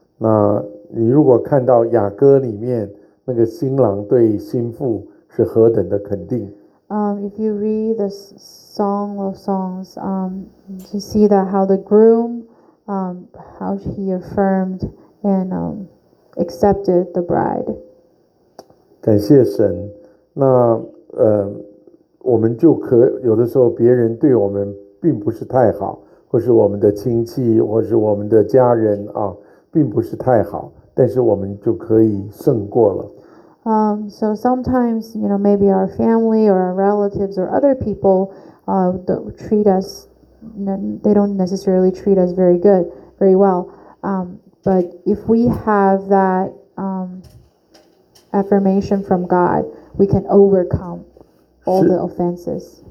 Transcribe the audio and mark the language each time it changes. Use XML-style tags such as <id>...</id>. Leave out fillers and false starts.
<zh>那你如果看到雅歌里面那个新郎对新妇是何等的肯定，</zh> <en>If you read the Song of Songs， you see that how the groom how he affirmed and accepted the bride。</en> <zh>感谢神。那我们就可有的时候别人对我们并不是太好，或是我们的亲戚，或是我们的家人啊，并不是太好，但是我们就可以胜过了。</zh> <en>So sometimes, you know, maybe our family or our relatives or other people, treat us, they don't necessarily treat us very good, very well. But if we have that affirmation from God, we can overcome all the offenses.</en>